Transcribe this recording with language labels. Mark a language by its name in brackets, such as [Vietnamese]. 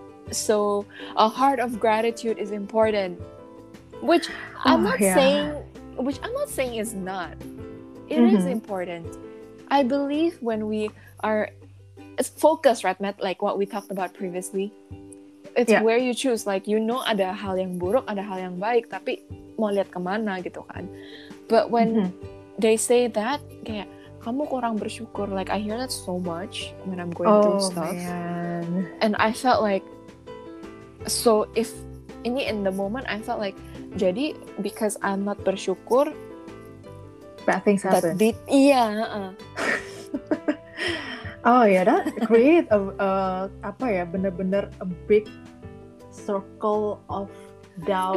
[English] So a heart of gratitude is important, which I'm not saying is not. It is important. I believe when we are focused, right, like what we talked about previously, it's where you choose. Like, you know, [Indonesian] ada hal yang buruk, ada hal yang baik, tapi mau lihat kemana gitu kan. [English] But when they say that, [Indonesian] kayak kamu kurang bersyukur. [English] Like, I hear that so much when I'm going through stuff, and I felt like. So if [Indonesian] ini [English] in the moment I felt like [Indonesian] jadi [English] because I'm not [Indonesian] bersyukur [English] bad things happen. That create [Indonesian] bener-bener [English] a big circle of doubt.